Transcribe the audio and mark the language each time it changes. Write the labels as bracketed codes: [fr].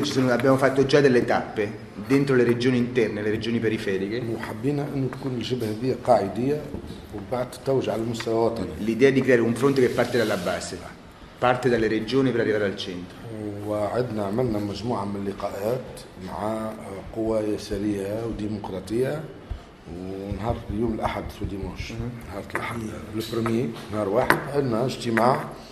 [it] abbiamo fatto già delle tappe dentro le regioni interne le regioni periferiche [ar] وحبينا انه تكون الجبهه دي قاعديه وبعد تتوج على المستوى الوطني [it] l'idea di creare un fronte che parte dalla base parte dalle regioni per arrivare al centro [ar] وعدنا عملنا مجموعه من اللقاءات مع قوى يساريه وديمقراطيه ونهار يوم الاحد في ديموش نهار الاحد لو برومي نهار واحد عندنا اجتماع